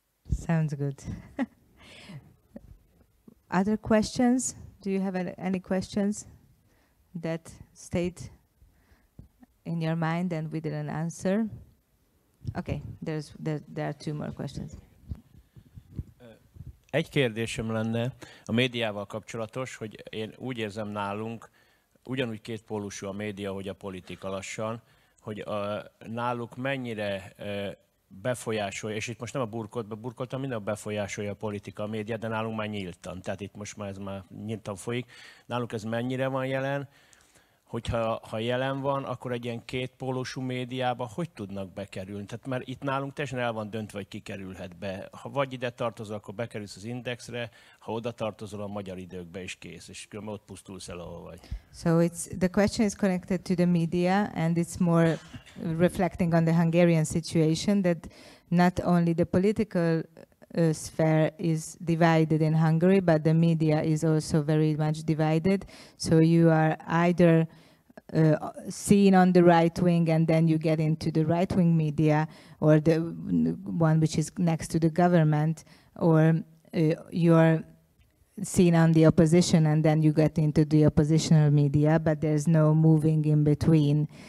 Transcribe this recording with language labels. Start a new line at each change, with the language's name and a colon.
English: Sounds good. Other questions? Do you have any questions that stayed in your mind and we didn't answer? Okay, there are two more questions.
Hungarian: Egy kérdésem lenne a médiával kapcsolatos, hogy én úgy érzem nálunk, ugyanúgy kétpólusú a média, hogy a politika lassan, hogy náluk mennyire befolyásolja, és itt most nem a burkolt, hanem minden befolyásolja a politika, a média, de nálunk már nyíltan, tehát itt most már ez már nyíltan folyik. Náluk ez mennyire van jelen? Hogyha jelen van, akkor egy ilyen kétpólusú médiába hogy tudnak bekerülni? Tehát mert itt nálunk teljesen el van döntve, hogy kikerülhet be. Ha vagy ide tartozol, akkor bekerülsz az Indexre, ha oda tartozol, a Magyar Időkbe is kész, és különben ott pusztulsz el, ahol vagy.
English: So it's, the question is connected to the media, and it's more reflecting on the Hungarian situation, that not only the political sphere is divided in Hungary, but the media is also very much divided. So you are either seen on the right wing and then you get into the right wing media or the one which is next to the government, or you are seen on the opposition and then you get into the oppositional media, but there's no moving in between.